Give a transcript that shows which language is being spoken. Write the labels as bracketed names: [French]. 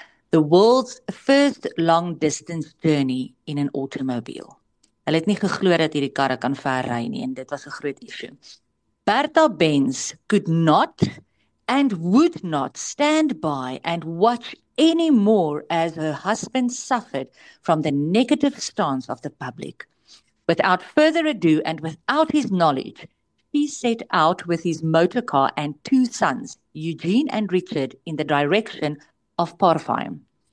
[English] The world's first long-distance journey in an automobile. [Afrikaans] Hulle het nie geglo dat hierdie karre kan ver ry nie en dit was 'n groot issue. [English] Bertha Benz could not and would not stand by and watch any more as her husband suffered from the negative stance of the public. Without further ado and without his knowledge, he set out with his motor car and two sons, Eugene and Richard, in the direction of Parfum.